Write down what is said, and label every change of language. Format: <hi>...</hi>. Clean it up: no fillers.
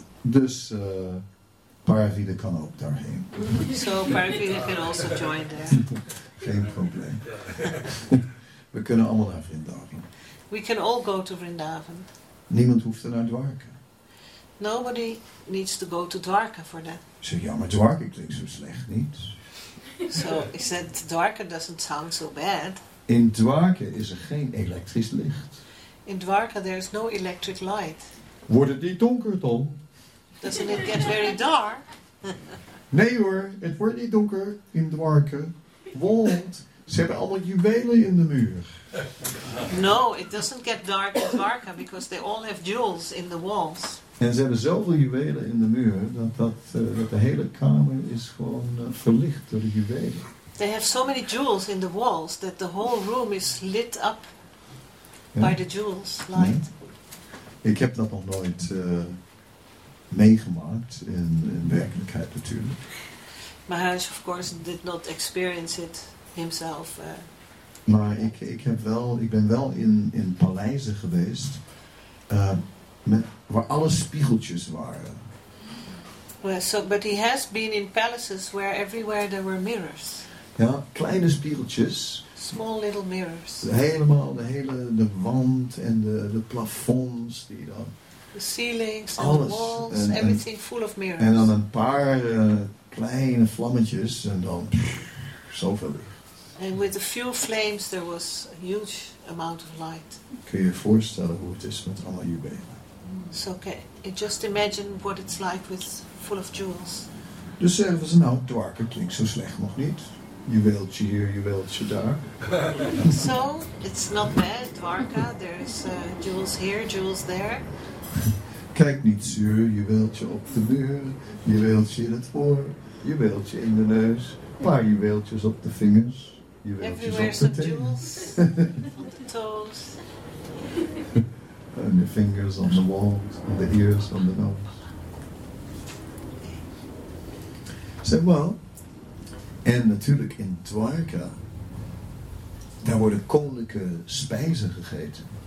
<nl>Dus Parvide kan ook daarheen.</nl> <en>So Parvide can also join there.</en> <nl>Geen probleem. We kunnen allemaal naar Vrindavan.</nl> <en>We can all go to Vrindavan.</en> <nl>Niemand hoeft er naar Dwarka.</nl> <en>Nobody needs to go to Dwarka for that.</en> <nl>Zeg, ja, maar Dwarka klinkt zo slecht, niet?</nl> <en>So he said Dwarka doesn't sound so bad.</en> <nl>In Dwarka is er geen elektrisch licht.</nl> <en>In Dwarka there is no electric light.</en> <nl>Wordt het niet donker dan?</nl> <en>Doesn't it get very dark?</en> <nl>Nee hoor, het wordt niet donker in Dwarka. Want ze hebben allemaal juwelen in de muur.</nl> <en>No, it doesn't get dark in Dwarka because they all have jewels in the walls.</en> <nl>En ze hebben zoveel juwelen in de muur dat de hele kamer is gewoon verlicht door de juwelen.</nl> <en>They have so many jewels in the walls that the whole room is lit up by the jewels light.</en> <nl>Nee. Ik heb dat nog nooit meegemaakt in werkelijkheid natuurlijk.</nl> <en>Maharaj of course did not experience it himself.</en> <nl>Maar ik ben wel in paleizen geweest waar alle spiegeltjes waren.</nl> <en>Well, so but he has been in palaces where everywhere there were mirrors.</en> <nl>Ja, kleine spiegeltjes.</nl> <en>Small little mirrors.</en> <nl>Helemaal, de wand en de plafonds. Die dan,</nl> <en>the ceilings,</en> <nl>alles,</nl> <en>the walls,</en> <nl>en,</nl> <en>everything full of mirrors.</en> <nl>En dan een paar kleine vlammetjes en dan pff, zoveel licht.</nl> <en>And with a few flames there was a huge amount of light.</en> <nl>Kun je voorstellen hoe het is met allemaal juwelen?</nl> <en>So okay, just imagine what it's like with full of jewels.</en> <nl>Dus zeggen ze nou, dwarke klinkt zo slecht nog niet. Juweeltje hier, juweeltje daar.</nl> <en>So, it's not bad, dwarka. There's jewels here, jewels there.</en> <nl>Kijk niet zuur, juweeltje op de muur. Juweeltje in het oor, juweeltje in de neus. Paar juweeltjes op de vingers. Juweeltjes</nl> <en>everywhere</en> <nl>op de</nl> <en>some</en> <nl>teen.</nl> <en>Jewels. On the toes. On the fingers, on the walls, on the ears, on the nose.</en> <nl>Zeg wel. En natuurlijk in Dwarka, daar worden koninklijke spijzen gegeten.</nl>